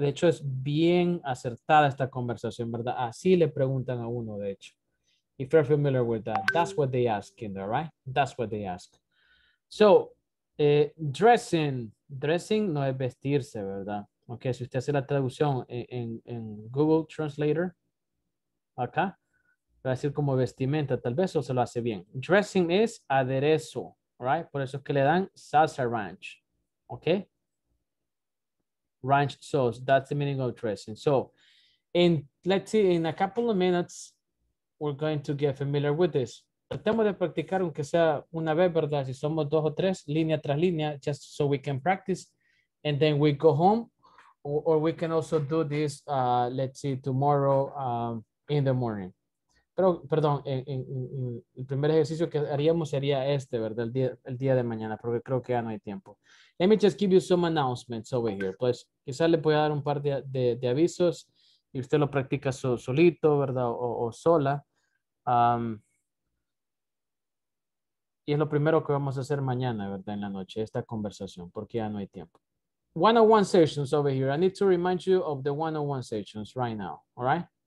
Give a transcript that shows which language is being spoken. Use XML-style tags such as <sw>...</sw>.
<es>De hecho, es bien acertada esta conversación, ¿verdad? Así le preguntan a uno, de hecho.</es> <en>If you're familiar with that, that's what they ask in there, right? That's what they ask. So, dressing</en> <es>no es vestirse, ¿verdad? Okay, si usted hace la traducción en Google Translator, acá, va a decir como vestimenta, tal vez, o se lo hace bien. Dressing es aderezo, right? Por eso es que le dan salsa ranch, okay?</es> <en>Ranch sauce, that's the meaning of dressing. So, in a couple of minutes, we're going to get familiar with this.</en> <es>Tratemos de practicar aunque sea una vez, ¿verdad? Si somos dos o tres, línea tras línea,</es> <en>just so we can practice. And then we go home, or we can also do this, tomorrow in the morning.</en> <es>Pero, perdón, en el primer ejercicio que haríamos sería este, ¿verdad? El día de mañana, porque creo que ya no hay tiempo.</es> <en>Let me just give you some announcements over here.</en> <es>Pues, quizás le voy a dar un par de avisos y usted lo practica solito, ¿verdad? O sola. Y es lo primero que vamos a hacer mañana, ¿verdad? En la noche, esta conversación, porque ya no hay tiempo.</es> <en>One-on-one sessions over here. I need to remind you of the one-on-one sessions right now, all right?</en>